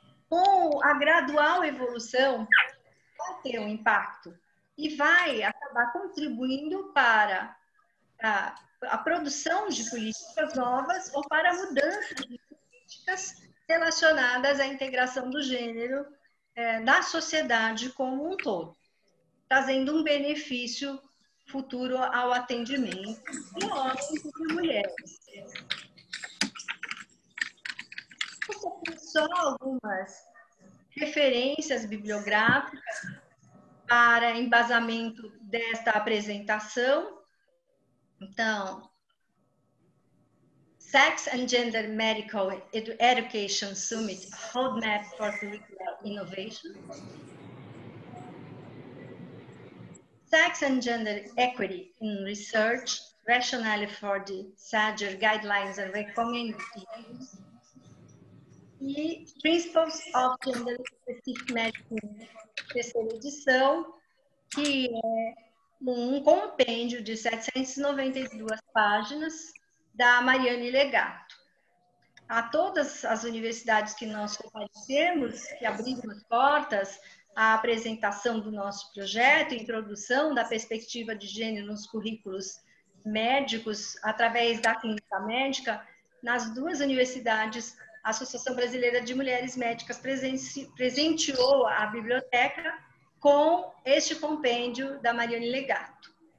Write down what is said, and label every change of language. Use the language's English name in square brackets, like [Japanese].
[Portuguese] Com a gradual evolução, vai ter um impacto e vai acabar contribuindo para a produção de políticas novas ou para a mudança de políticas relacionadas à integração do gênero na sociedade como um todo, trazendo um benefício futuro ao atendimento de homens e de mulheres. Isso aqui só algumas referências bibliográficas para embasamento desta apresentação. [English] Então, Sex and Gender Medical Education Summit, Roadmap for Curricular Innovation. Sex and Gender Equity in Research, Rationale for the SAGER Guidelines and Recommendations. [Portuguese] E [English] Principles of Gender Specific Medicine, [Portuguese] terceira edição, que é um compêndio de 792 páginas da Mariane Legato. A todas as universidades que nós comparecemos, que abrimos as portas, a apresentação do nosso projeto, introdução da perspectiva de gênero nos currículos médicos através da clínica médica, nas duas universidades, a Associação Brasileira de Mulheres Médicas presenteou a biblioteca com este compêndio da Mariane Legato.